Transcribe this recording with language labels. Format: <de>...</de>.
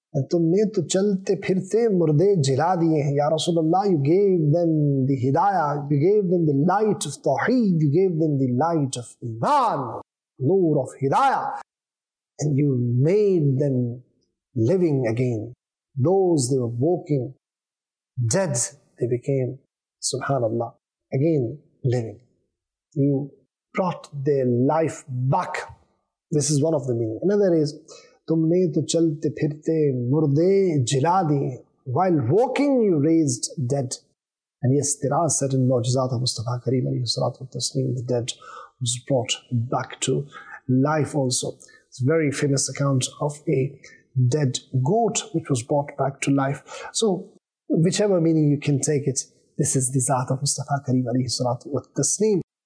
<ur>تمہیں تو چلتے پھرتے مردے جلا دیئے ہیں.</ur> <en>Ya Rasulullah, you gave them the hidayah, you gave them the light of tawheed, you gave them the light of iman, nur of hidayah, and you made them living again. Those they were walking dead, they became, subhanallah, again living. You brought their life back. This is one of the meaning. Another is,</en> <ur>تمہیں تو چلتے پھرتے مردے جلا دی.</ur> <en>While walking, you raised dead. And yes, there are certain معجزات of Mustafa Kareem alayhi salatu wa taslim, the dead was brought back to life also. It's a very famous account of a dead goat which was brought back to life. So, whichever meaning you can take it, this is the Zat of Mustafa Kareem alayhi salatu wa taslim.</en>